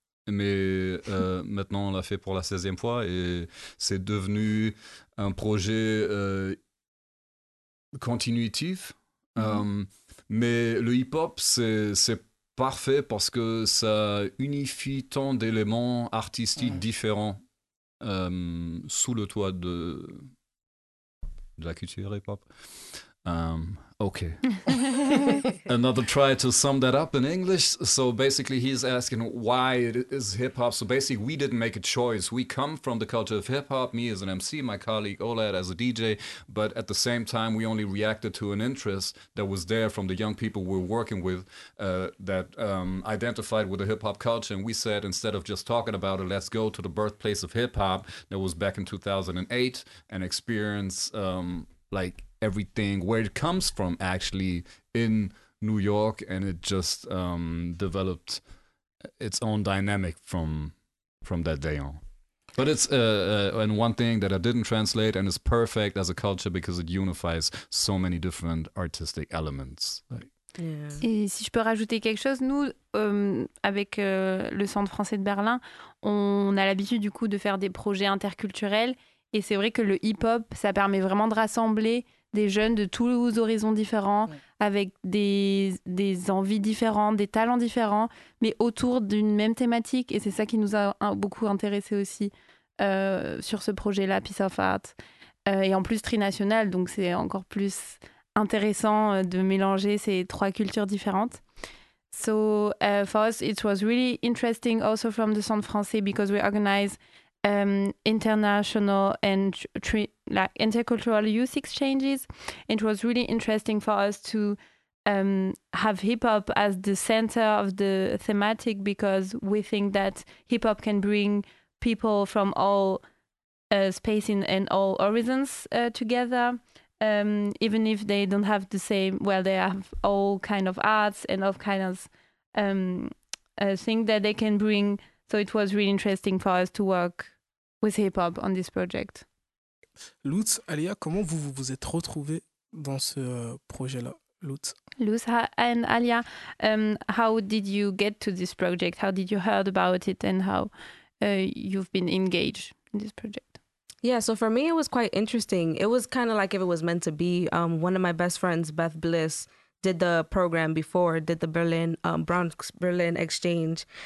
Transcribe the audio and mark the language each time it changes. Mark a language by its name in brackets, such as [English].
[French] Mais maintenant, on l'a fait pour la 16e fois et c'est devenu un projet continuatif. Mm-hmm. Mais le hip-hop, c'est parfait parce que ça unifie tant d'éléments artistiques différents sous le toit de la culture hip-hop. [English] Okay. Another try to sum that up in English. So basically he's asking why it is hip hop. So basically we didn't make a choice. We come from the culture of hip hop, me as an MC, my colleague Oled as a DJ, but at the same time we only reacted to an interest that was there from the young people we're working with that identified with the hip hop culture. And we said, instead of just talking about it, let's go to the birthplace of hip hop that was back in 2008 and experience like everything, where it comes from, actually, in New York, and it just developed its own dynamic from that day on. But it's and one thing that I didn't translate, and it's perfect as a culture because it unifies so many different artistic elements. Yeah. [French] Et si je peux rajouter quelque chose, nous, avec le Centre français de Berlin, on a l'habitude, du coup, de faire des projets interculturels, et c'est vrai que le hip-hop, ça permet vraiment de rassembler des jeunes de tous les horizons différents, ouais, avec des envies différentes, des talents différents, mais autour d'une même thématique. Et c'est ça qui nous a beaucoup intéressés aussi sur ce projet-là, Piece of Art. Et en plus, trinational, donc c'est encore plus intéressant de mélanger ces trois cultures différentes. [English] So for us, it was really interesting also from the Centre français because we organize international and intercultural youth exchanges. It was really interesting for us to have hip-hop as the center of the thematic because we think that hip-hop can bring people from all space and all horizons together, even if they don't have the same, well, they have all kind of arts and all kind of things that they can bring. So it was really interesting for us to work with hip-hop on this project. [French] Lutz, Alia, comment vous vous êtes retrouvés dans ce projet-là, Lutz? [English] Lutz and Alia, how did you get to this project? How did you heard about it and how you've been engaged in this project? Yeah, so for me, it was quite interesting. It was kind of like if it was meant to be. One of my best friends, Beth Bliss, did the program before, did the Berlin Bronx-Berlin exchange.